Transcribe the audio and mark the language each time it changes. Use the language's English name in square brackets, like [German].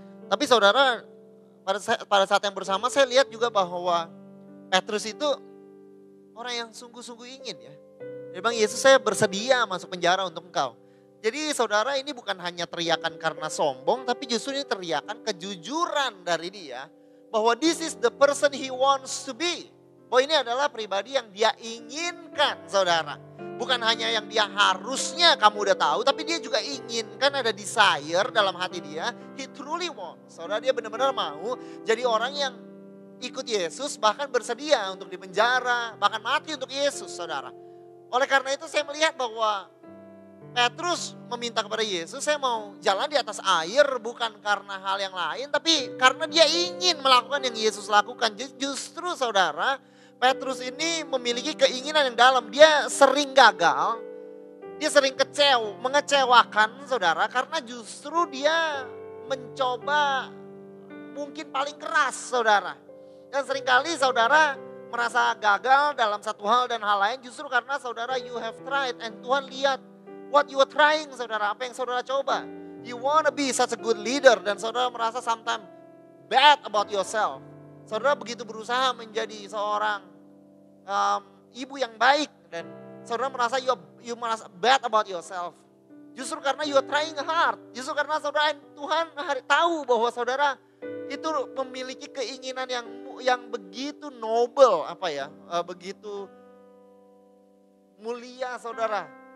[Indonesian] Tapi saudara, pada saat yang bersama saya lihat juga bahwa Petrus itu orang yang sungguh-sungguh ingin ya. Dia bilang, Yesus saya bersedia masuk penjara untuk engkau. Jadi saudara ini bukan hanya teriakan karena sombong, tapi justru ini teriakan kejujuran dari dia. [English] Bahwa this is the person he wants to be. [Indonesian] Bahwa ini adalah pribadi yang dia inginkan saudara. Bukan hanya yang dia harusnya kamu udah tahu, tapi dia juga inginkan, ada desire dalam hati dia. [English] He truly wants. [Indonesian] Saudara, dia benar-benar mau jadi orang yang ikut Yesus, bahkan bersedia untuk dipenjara, bahkan mati untuk Yesus saudara. Oleh karena itu saya melihat bahwa Petrus meminta kepada Yesus, saya mau jalan di atas air bukan karena hal yang lain, tapi karena dia ingin melakukan yang Yesus lakukan. Justru saudara, Petrus ini memiliki keinginan yang dalam. Dia sering gagal, dia sering mengecewakan saudara, karena justru dia mencoba mungkin paling keras saudara. Dan seringkali saudara merasa gagal dalam satu hal dan hal lain, justru karena saudara [English] you have tried [Indonesian] and Tuhan lihat [English] what you are trying [Indonesian] saudara, apa yang saudara coba. [English] You wanna be such a good leader [Indonesian] dan saudara merasa [English] sometimes bad about yourself. [Indonesian] Saudara begitu berusaha menjadi seorang ibu yang baik dan saudara merasa you merasa [English] bad about yourself. [Indonesian] Justru karena [English] you are trying hard. [Indonesian] Justru karena saudara Tuhan tahu bahwa saudara itu memiliki keinginan yang begitu noble, begitu mulia saudara.